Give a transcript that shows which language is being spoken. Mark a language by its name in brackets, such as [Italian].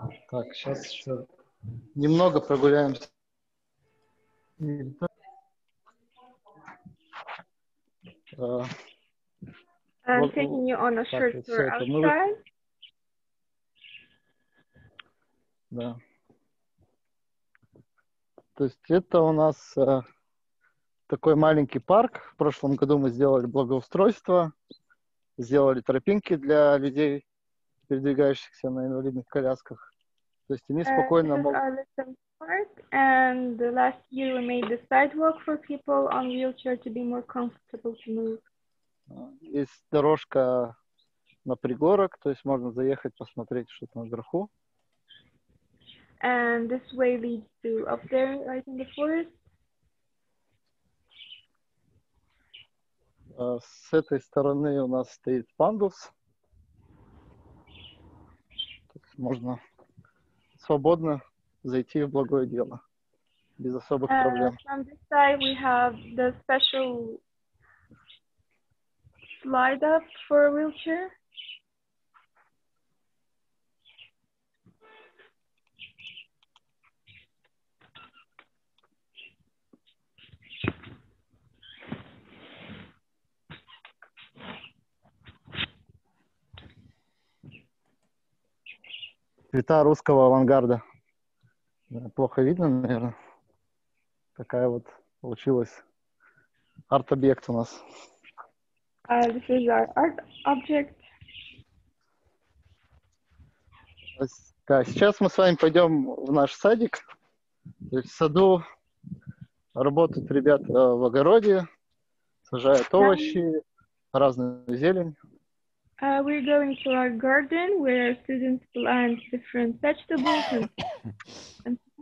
[Russian] Так, сейчас еще немного прогуляемся. [English] I'm taking you on a short tour outside. [Russian] Да. То есть это у нас такой маленький парк. В прошлом году мы сделали благоустройство, сделали тропинки для людей, передвигающихся на инвалидных колясках. То есть они спокойно могут... [English] Park, and the last year we made the sidewalk for people on wheelchair to be more comfortable to move. [Russian] Есть дорожка на пригорок, то есть можно заехать посмотреть, что там наверху. [English] And this way leads to up there, right in the forest. [Russian] С этой стороны у нас стоит пандус. Можно свободно зайти в благое дело без особых проблем. [English] On this side we have the special slide up for a wheelchair. [Russian] Цвета русского авангарда. Плохо видно, наверное. Такая вот получилась арт-объект у нас. [English] This is our art object. [Russian] Да, сейчас мы с вами пойдем в наш садик. В саду работают ребята в огороде, сажают овощи, разную зелень. [English] We're going to our garden where students plant different vegetables and...